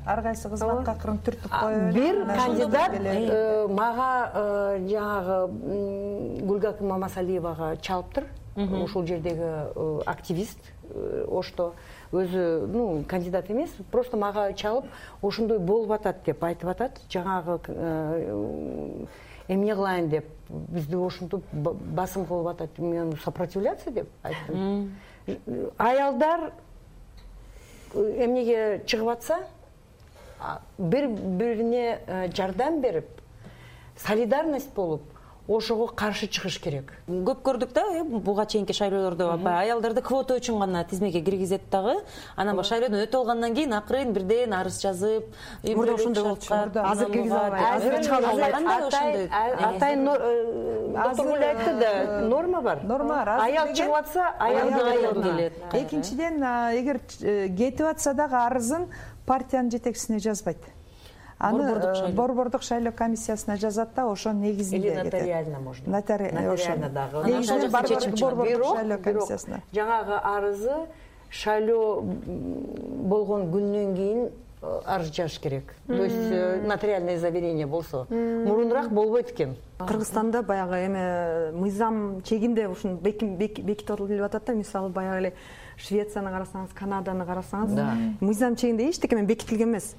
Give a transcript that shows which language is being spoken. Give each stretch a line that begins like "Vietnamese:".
Kyrgyz: Ар кайсы кызматка кырын түртүп коюп, бир кандидат мага жагы Гүлгак Мамасалиевага чалыптыр. Ошол жердеги активист ошто өзү кандидат эмес, просто мага чалып ошондой болуп атат деп айтып атат. Жаңагы эмне кылайын деп бизди ошентип басым кылып атат. Мен сопротивляться деп айттым. Аялдар эмнеге чыгып атса, бир бирине жардам берип солидарность болуп ошого каршы чыгыш керек. Көп көрдүк да, буга чейинки шайлоолордо аялдарды квота үчүн гана тизмеге киргизет дагы. Анан баш шайлоодон өтүп алгандан кийин акырын бирден арыз жазып, мурда ошондой болчу. Азыр киргизе албайт. Азыр чыга албайт. Атайын азыр айтты да, норма бар. Норма бар. Аял чыгып атса, аялды аял келет. Экинчиден, эгер кетип атса дагы арызын партиянын жетекчисине жазбайт. Аны борбордук шайлоо комиссиясына жазат да, ошонун негизинде кетет.
Russian: Или нотариально можно. Нотариально
Kyrgyz: дагы. Негизинен борбордук шайлоо комиссиясына. Жаңагы арызы шайлоо болгон күндөн кийин арыз жазыш керек.
Russian: То есть нотариальное заверение
Kyrgyz: болсо, мурунураак болбойт экен. Кыргызстанда баягы эме мыйзам чегинде ушун бекитип келип атат да, мисалы баягы эле Швецияны карасаңыз, Канаданы карасаңыз, мыйзам чегинде эчтеке менен бекитилген эмес.